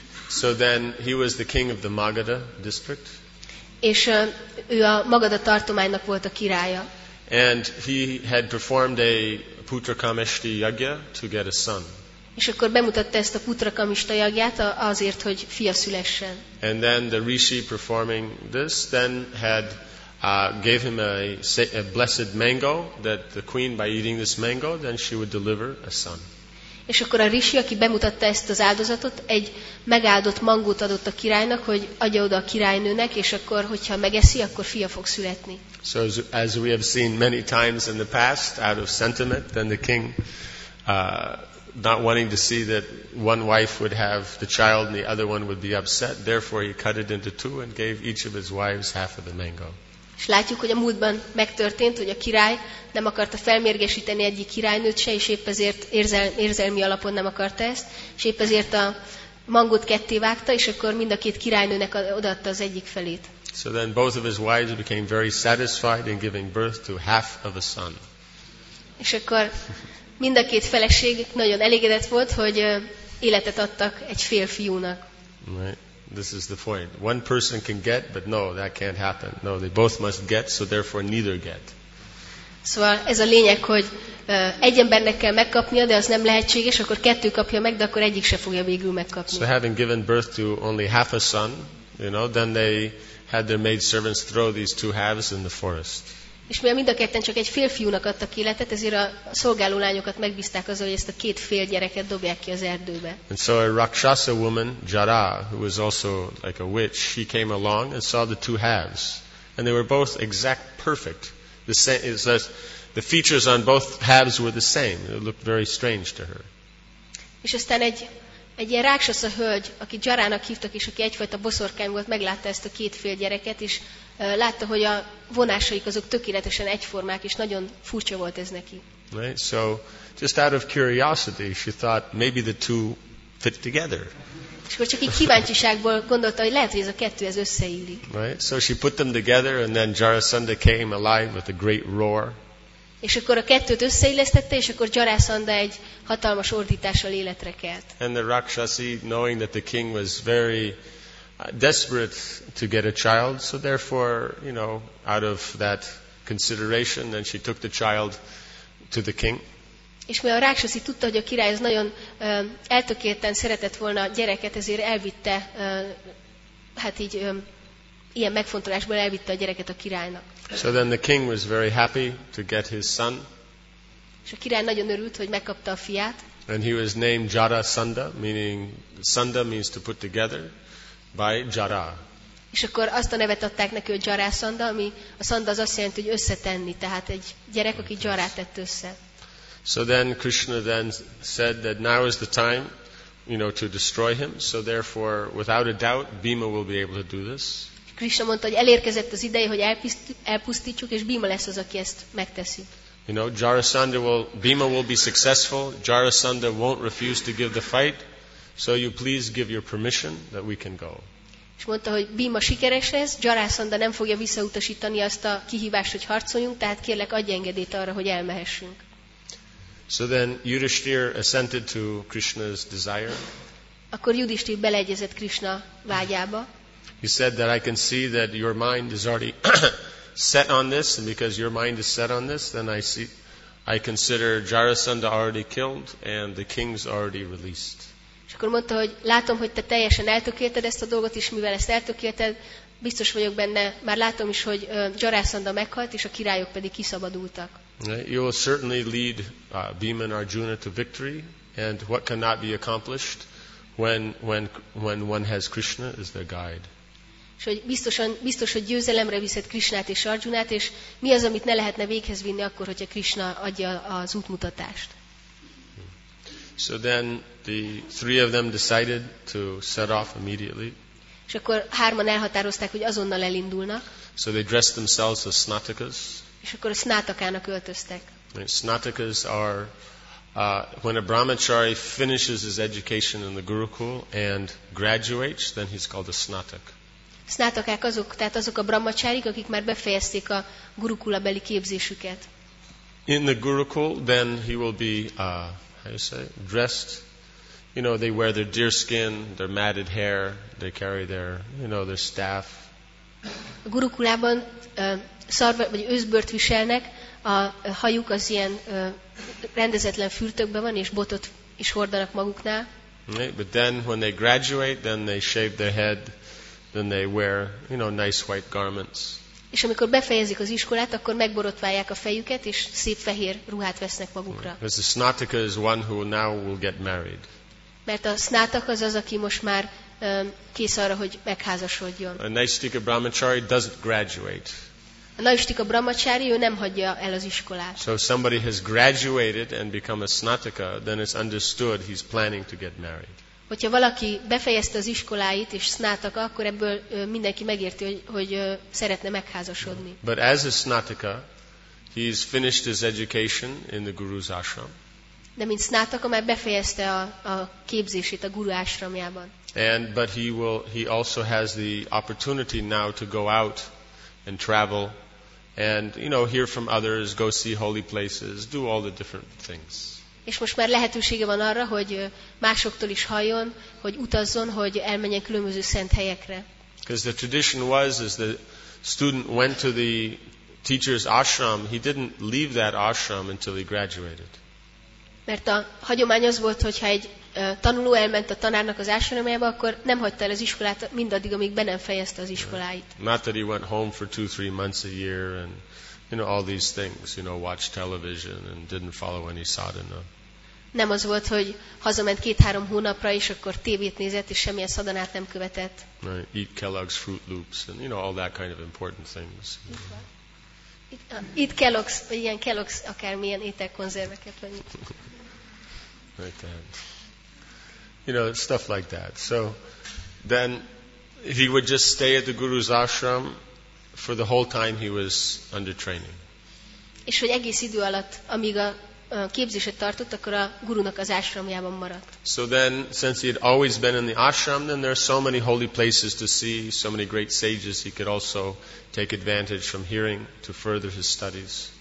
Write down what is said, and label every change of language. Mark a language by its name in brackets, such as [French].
[English] So then he was the king of the Magadha district. [Hungarian] És ő a Magadha tartománynak volt a királya. [English] And he had performed a Putrakamishti yagya to get a son. [Hungarian] És akkor bemutatta ezt a Putrakamishta yagyát azért, hogy fia szülessen. [English] And then the rishi performing this then had gave him a blessed mango that the queen by eating this mango then she would deliver a son. [Hungarian] És akkor a rishi, aki bemutatta ezt az áldozatot, egy megáldott mangót adott a királynak, hogy adja oda a királynőnek, és akkor, hogyha megeszi, akkor fia fog születni. [English] So as we have seen many times in the past, out of sentiment, then the king not wanting to see that one wife would have the child and the other one would be upset, therefore he cut it into two and gave each of his wives half of the mango. [Hungarian] És látjuk, hogy a múltban megtörtént, hogy a király nem akarta felmérgesíteni egyik királynőt se, és épp ezért érzelmi alapon nem akarta ezt, és épp ezért a mangót ketté vágta, és akkor mind a két királynőnek odaadta az egyik felét. [English] So then both of his wives became very satisfied in giving birth to half of a son. [Hungarian] És akkor mind a két feleség nagyon elégedett volt, hogy életet adtak egy fél fiúnak. [English] Right. This is the point. One person can get, but no, that can't happen. No, they both must get, so therefore neither get. [Hungarian] Szóval ez a lényeg, hogy egy embernek kell megkapnia, de az nem lehetséges, akkor kettő kapja meg, de akkor egyik se fogja végül megkapni. [English] So having given birth to only half a son, you know, then they had their maid servants throw these two halves in the forest. [Hungarian] És mivel mind a ketten csak egy fél fiúnak adtak életet, ezért a szolgáló lányokat megbízták azzal, hogy ezt a két fél gyereket dobják ki az erdőbe. [English] And so a Rakshasa woman, Jara, who was also like a witch, she came along and saw the two halves. And they were both exact perfect. The same, the features on both halves were the same. It looked very strange to her. [Hungarian] És aztán egy ilyen rákshasa hölgy, aki Jarának hívtak, és aki egyfajta boszorkány volt, meglátta ezt a két fél gyereket, és látta, hogy a vonásaik azok tökéletesen egyformák, és nagyon furcsa volt ez neki. [English] Right, so just out of curiosity, she thought maybe the two fit together. [Hungarian] És akkor csak így kíváncsiságból gondolta, hogy lehet, hogy ez a kettő ez összeillik. [English] Right, so she put them together, and then Jarasandha came alive with a great roar. [Hungarian] És akkor a kettőt összeillesztette, és akkor Jarasandha egy hatalmas ordítással életre kelt. [English] And the Rakshasi, knowing that the king was very desperate to get a child, so therefore, you know, out of that consideration, then she took the child to the king. [Hungarian] És mivel a Rakshasi tudta, hogy a király az nagyon eltökélten szeretett volna a gyereket, ezért elvitte, hát így ilyen megfontolásból elvitte a gyereket a királynak. [English] So then the king was very happy to get his son. [Hungarian] És a király nagyon örült, hogy megkapta a fiát. [English] And he was named Jarasandha, meaning Sandha means to put together, by Jara. [Hungarian] És akkor azt a nevet adták neki, hogy Jarasandha, ami a Sandha az azt jelenti, hogy összetenni, tehát egy gyerek, aki Jarát tett össze. [English] So then Krishna then said that now is the time, you know, to destroy him. So therefore, without a doubt, Bhima will be able to do this. [Hungarian] Krishna mondta, hogy elérkezett az ideje, hogy elpusztítsuk, és Bhima lesz az, aki ezt megteszi. [English] You know, Bhima will be successful. Jarasandha won't refuse to give the fight. So you please give your permission that we can go. [Hungarian] És mondta, hogy Bhima sikeres lesz, Jarasandha nem fogja visszautasítani azt a kihívást, hogy harcoljunk, tehát kérlek, adj engedélyt arra, hogy elmehessünk. [English] So then Yudhishthir assented to Krishna's desire. [Hungarian] Akkor Yudhishthir beleegyezett Krishna vágyába. [English] He said that I can see that your mind is already set on this, and because your mind is set on this, then I consider Jarasandha already killed and the king's already released. [Hungarian] És akkor mondta, hogy látom, hogy te teljesen eltökélted ezt a dolgot, és mivel ezt eltökélted, biztos vagyok benne, már látom is, hogy Jarasandha meghalt, és a királyok pedig kiszabadultak. [English] You will certainly lead Bhima and Arjuna to victory, and what cannot be accomplished when one has Krishna as their guide. [Hungarian] És hogy biztos, hogy győzelemre viszed Krishnát és Arjunát, és mi az, amit ne lehetne véghez vinni akkor, hogyha Krishna adja az útmutatást. [English] So then the three of them decided to set off immediately. [Hungarian] És akkor hárman elhatározták, hogy azonnal elindulnak. [English] So they dressed themselves as snatakas. [Hungarian] És akkor a snatakának öltöztek. [English] Snatakas are when a brahmachari finishes his education in the gurukul and graduates, then he's called a snatak. [Hungarian] Snatakák azok, tehát azok a brahmacharik, akik már befejezték a gurukulabeli képzésüket. [English] In the gurukul, then he will be how you say it? Dressed, you know, they wear their deerskin, their matted hair, they carry their, you know, their staff. [Hungarian] A gurukulában szarva vagy őszbört viselnek, a hajuk az ilyen rendezetlen fürtökben van, és botot is hordanak maguknál. [English] Right, but then when they graduate, then they shave their head, then they wear, you know, nice white garments. [Hungarian] És amikor befejezik az iskolát, akkor megborotválják a fejüket, és szép fehér ruhát vesznek magukra. [English] Because the snataka is one who now will get married. [Hungarian] Mert a snataka az, aki most már kész arra, hogy megházasodjon. [English] A naistika brahmachari doesn't graduate. [Hungarian] A naistika brahmachari, ő nem hagyja el az iskolát. [English] So if somebody has graduated and become a snataka, then it's understood he's planning to get married. [Hungarian] Hogyha valaki befejezte az iskoláit és snataka, akkor ebből mindenki megérti, hogy szeretne megházasodni. [English] But as a snataka, he's finished his education in the guru's ashram. [Hungarian] De mint snataka már befejezte a képzését a guru ashramjában. [English] But he also has the opportunity now to go out and travel and, you know, hear from others, go see holy places, do all the different things. [Hungarian] És most már lehetősége van arra, hogy másoktól is halljon, hogy utazzon, hogy elmenjen különböző szent helyekre. [English] Because the tradition was, as the student went to the teacher's ashram, he didn't leave that ashram until he graduated. [Hungarian] Mert a hagyomány az volt, hogy ha egy tanuló elment a tanárnak az ásványomjába, akkor nem hagyta el az iskolát mindaddig, amíg be nem fejezte az iskoláit. [English] Not that he went home for 2-3 months a year and you know all these things, you know, watch television and didn't follow any sadhana. [Hungarian] Nem az volt, hogy hazament 2-3 hónapra és akkor tévét nézett és semmilyen szadanát nem követett. [English] Right. Eat Kellogg's Fruit Loops and you know all that kind of important things. [Hungarian] Itt Kellogg's, igen, Kellogg's akármilyen ételkonzerveket vagy. [English] Right then. You know, stuff like that. So then he would just stay at the guru's ashram for the whole time he was under training. [Hungarian] És hogy egész idő alatt, amíg a képzéset tartott, akkor a gurunak az ásramjában maradt. [English] So then, since he had always been in the ashram, then there are so many holy places to see, so many great sages he could also take advantage from hearing to further his studies.